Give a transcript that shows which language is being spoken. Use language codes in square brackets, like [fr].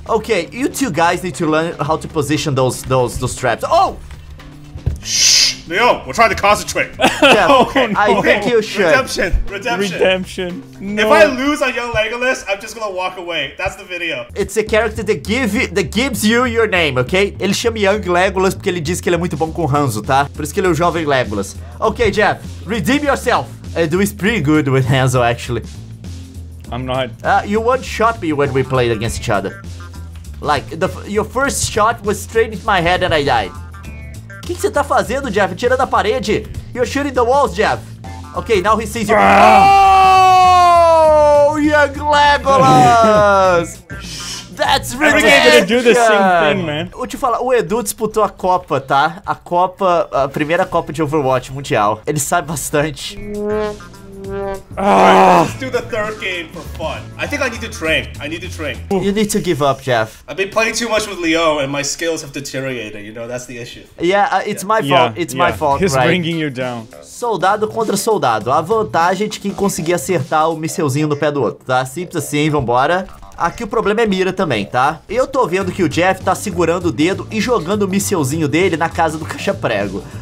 [en] Okay, you two guys need to learn how to position those traps. Oh! Shh! Leo, we're trying to concentrate. Yeah, okay. Oh, no. I think you should. Redemption. No. If I lose a young Legolas, I'm just gonna walk away. That's the video. It's a character that gives you your name, okay? [pt] Ele chama Young Legolas porque ele diz que ele é muito bom com Hanzo, tá? Por isso que ele é o jovem Legolas. [en] Okay, Jeff, redeem yourself. Edu is pretty good with Hanzo, actually. I'm not. You one shot me when we played against each other. Like, your first shot was straight into my head and I died. [pt] O que você tá fazendo, Jeff? Tira da parede. [en] You're shooting the walls, Jeff. Okay, now he sees you. Oh, Young Legolas! That's ridiculous! Everyone's gonna do the same thing, man. [pt] Vou te falar, o Edu disputou a Copa, tá? A Copa, a primeira Copa de Overwatch Mundial. Ele sabe bastante. [en] Right, let's do the third game for fun. I think I need to train. You need to give up, Jeff. I've been playing too much with Leo and my skills have deteriorated, you know, that's the issue. Yeah, it's my fault, he's right? Bringing you down. [pt] Soldado contra soldado. A vantagem é de quem conseguir acertar o mísselzinho no pé do outro, tá? Simples assim, vambora. Aqui o problema é mira também, tá? Eu tô vendo que o Jeff tá segurando o dedo e jogando o mísselzinho dele na casa do caixa-prego.